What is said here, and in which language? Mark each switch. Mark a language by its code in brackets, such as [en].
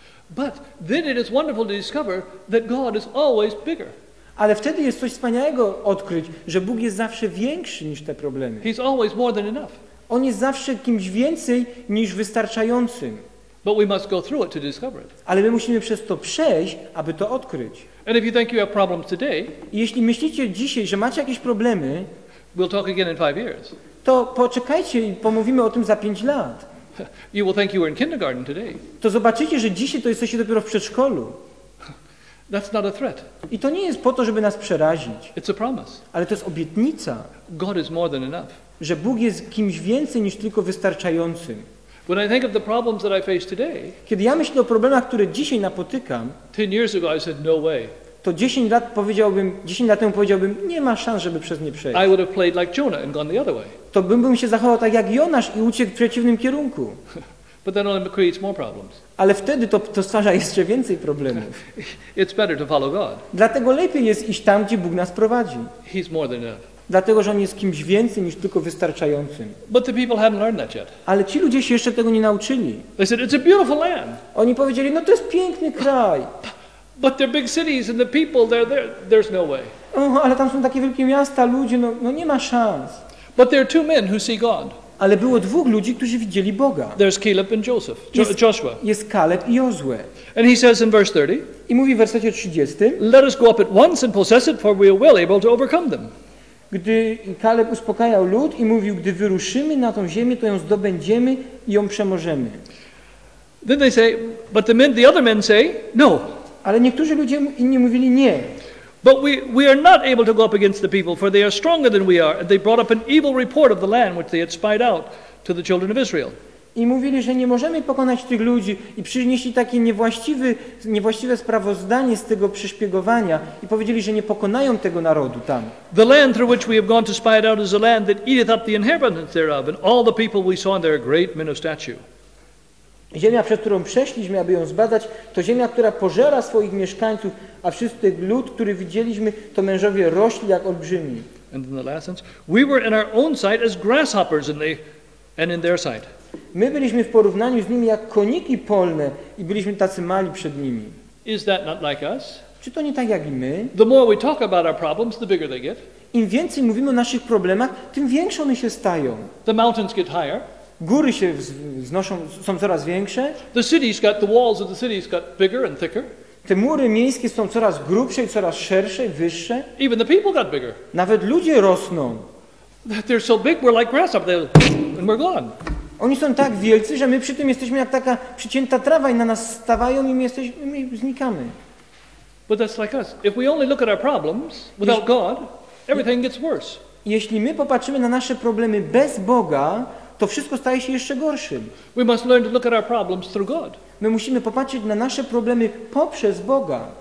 [en] But then it is wonderful to discover that God is always bigger. [pl] Ale wtedy jest coś wspaniałego odkryć, że Bóg jest zawsze większy niż te problemy. [en] He's always more than enough. [pl] On jest zawsze kimś więcej niż wystarczającym. [en] But we must go through it to discover it. [pl] Ale my musimy przez to przejść, aby to odkryć. [en] And if you think you have problems today, [pl] jeśli myślicie dzisiaj, że macie jakieś problemy, [en] we'll talk again in 5 years. [pl] To poczekajcie i pomówimy o tym za 5 lat. [en] You will think you were in kindergarten today. [pl] To zobaczycie, że dzisiaj to jesteście dopiero w przedszkolu. [en] That's not a threat. [pl] I to nie jest po to, żeby nas przerazić. [en] It's a promise. [pl] Ale to jest obietnica. [en] God is more than enough. [pl] Że Bóg jest kimś więcej niż tylko wystarczającym. [en] When I think of the problems that I face today, [pl] kiedy ja myślę o problemach, które dzisiaj napotykam, [en] 10 years ago I said, no way. [pl] To 10 lat powiedziałbym, 10 lat temu powiedziałbym, nie ma szans, żeby przez nie przejść. [en] I would have played like Jonah and gone the other way. [pl] To bym się zachował tak jak Jonasz i uciekł w przeciwnym kierunku. [en] But that only creates more problems. [pl] Ale wtedy to stwarza jeszcze więcej problemów. [en] It's better to follow God. [pl] Dlatego lepiej jest iść tam, gdzie Bóg nas prowadzi. [en] He's more than enough. [pl] Dlatego, że On jest kimś więcej niż tylko wystarczającym. [en] But the people haven't learned that yet. [pl] Ale ci ludzie się jeszcze tego nie nauczyli. [en] They said, it's a beautiful land. [pl] Oni powiedzieli, no to jest piękny kraj. [en] But they're big cities and the people, there's no way. [pl] O, ale tam są takie wielkie miasta, ludzie, no nie ma szans. [en] But there are two men who see God. [pl] Ale było dwóch ludzi, którzy widzieli Boga. [en] There's Caleb and Joseph. Joshua. [pl] Jest Caleb i Jozue. [en] And he says in verse 30. [pl] I mówi w wersecie 30. [en] Let us go up at once and possess it, for we are well able to overcome them. [pl] Gdy Caleb uspokajał lud i mówił, gdy wyruszymy na tą ziemię, to ją zdobędziemy i ją przemożemy. [en] Then they say, but the other men say, no. [pl] Ale niektórzy ludzie inni mówili nie. [en] But we are not able to go up against the people, for they are stronger than we are, and they brought up an evil report of the land which they had spied out to the children of Israel. [pl] I mówili, że nie możemy pokonać tych ludzi i przynieśli takie niewłaściwe sprawozdanie z tego przyszpiegowania i powiedzieli, że nie pokonają tego narodu tam. [en] The land through which we have gone to spy it out is a land that eateth up the inhabitants thereof, and all the people we saw in there are great men of stature. [pl] Ziemia, przez którą przeszliśmy, aby ją zbadać, to ziemia, która pożera swoich mieszkańców, a wszyscy lud, który widzieliśmy, to mężowie rośli jak olbrzymi. [en] And in the last sense, we were in our own sight as grasshoppers in their sight. [pl] My byliśmy w porównaniu z nimi jak koniki polne i byliśmy tacy mali przed nimi. [en] Is that not like us? [pl] Czy to nie tak jak i my? [en] The more we talk about our problems, the bigger they get. [pl] Im więcej mówimy o naszych problemach, tym większe one się stają. [en] The mountains get higher. [pl] Góry się wznoszą, są coraz większe. [en] The cities got, the walls of the cities got bigger and thicker. [pl] Te mury miejskie są coraz grubsze i coraz szersze, wyższe. [en] Even the people got bigger. [pl] Nawet ludzie rosną. [en] They're so big, we're like grasshoppers, and we're gone. [pl] Oni są tak wielcy, że my przy tym jesteśmy jak taka przycięta trawa i na nas stawają i my znikamy. [en] But that's like us. If we only look at our problems without God, everything gets worse. [pl] Jeśli my popatrzymy na nasze problemy bez Boga, to wszystko staje się jeszcze gorszym. [en] We must learn to look at our problems through God. [pl] My musimy popatrzeć na nasze problemy poprzez Boga.